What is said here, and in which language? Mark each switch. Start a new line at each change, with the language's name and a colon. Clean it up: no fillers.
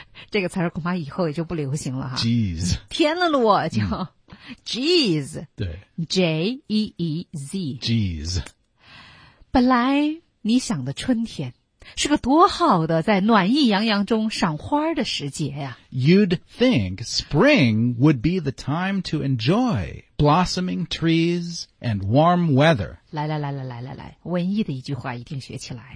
Chinese: 这个词儿恐怕以后也就不流行了哈。
English: Jeez。
Chinese: 天了啰叫、嗯。Jeez。对。
English: J-E-E-Z。 Jeez。
Chinese: 本来你想的春天是个多好的在暖意洋洋中赏花的时节呀、啊。
English: You'd think spring would be the time to enjoy blossoming trees and warm weather.
Chinese: 来来来来来来来文艺的一句话一定学起来。